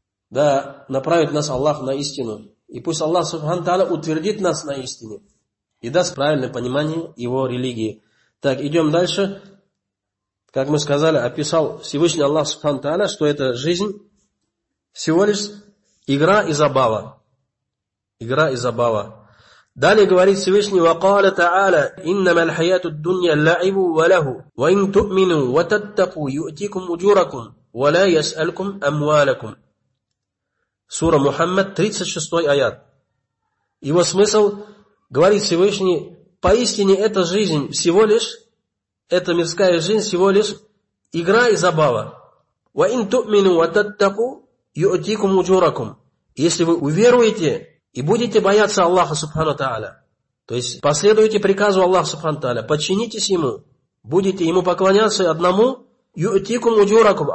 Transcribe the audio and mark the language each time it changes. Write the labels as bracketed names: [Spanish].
[Russian] Да, направит нас Аллах на истину. И пусть Аллах Субхану Та'аля утвердит нас на истине. И даст правильное понимание его религии. Так, идем дальше. Как мы сказали, описал Всевышний Аллах Субхану Та'аля, что это жизнь всего лишь игра и забава. Игра и забава. Далее говорит Всевышний: [Arabic] وَقَالَ تَعَالَى إِنَّمَا الْحَيَاةُ الدُّنْيَا لَعِبٌ وَلَهُ وَإِنْ تُؤْمِنُوا وَتَتَّقُوا يُؤْتِكُمْ أُجُورَكُمْ وَلَا يَسْأَلْكُمْ أَمْوَالَكُمْ. [Russian] Сура Мухаммад, 36 аят. Его смысл, говорит Всевышний, поистине эта жизнь всего лишь, эта мирская жизнь всего лишь игра и забава. [Arabic] وَإِنْ تُؤْمِنُوا وَتَتَّقُوا يُؤْتِكُمْ أُجُورَكُمْ. [Russian] Если вы уверуете и будете бояться Аллаха Субхану Та'аля, то есть последуете приказу Аллаха Субхану Та'аля, подчинитесь Ему, будете Ему поклоняться одному, [Arabic] يُؤْتِكُمْ أُجُورَكُمْ.